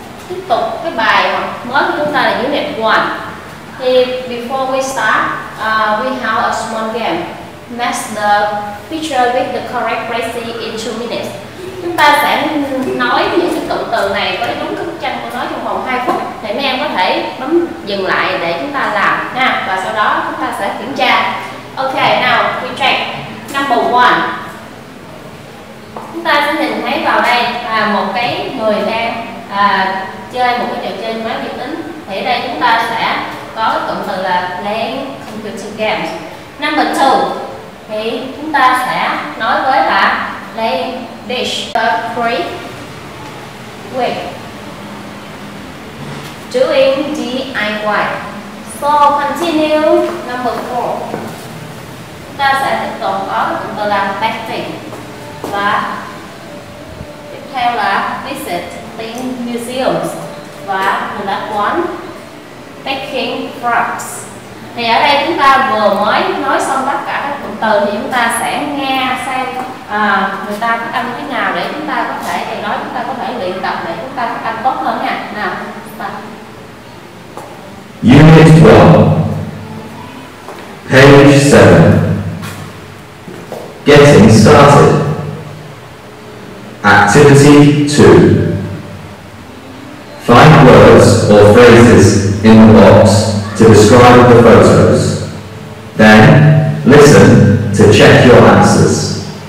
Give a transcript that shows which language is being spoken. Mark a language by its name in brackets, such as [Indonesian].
[Vietnamese] tiếp tục cái bài mới của chúng ta là unit 1. [English] Thì before we start, we have a small game. Match the picture with the correct phrase in 2 minutes. [Vietnamese] Chúng ta sẽ nói những cái cụm từ này với đúng cái bức tranh của nó trong vòng 2 phút. Thì mấy em có thể bấm dừng lại để chúng ta làm ha. Và sau đó chúng ta sẽ kiểm tra. [English] Ok, now we check. Number 1. [Vietnamese] Chúng ta sẽ nhìn thấy vào đây là một cái người đang chơi một cái trò chơi máy vi tính. Thì ở đây chúng ta sẽ có cụm từ là [English] playing computer games. Number 2, [Vietnamese] thì chúng ta sẽ nói với là [English] playing dish. Number 3, we doing DIY. So continue. Number 4, [Vietnamese] chúng ta sẽ tiếp tục có cụm từ là painting. Và tiếp theo là [English] visiting museums. Và the last one, picking frogs. [Vietnamese] Thì ở đây chúng ta vừa mới nói xong tất cả các cụm từ, thì chúng ta sẽ nghe xem người ta phát âm thế nào để chúng ta có thể, thầy nói chúng ta có thể luyện tập để chúng ta phát âm tốt hơn nha. Nào, [English] Unit 12, page 7, getting started, activity 2, find words or phrases in the box to describe the photos, then listen to check your answers.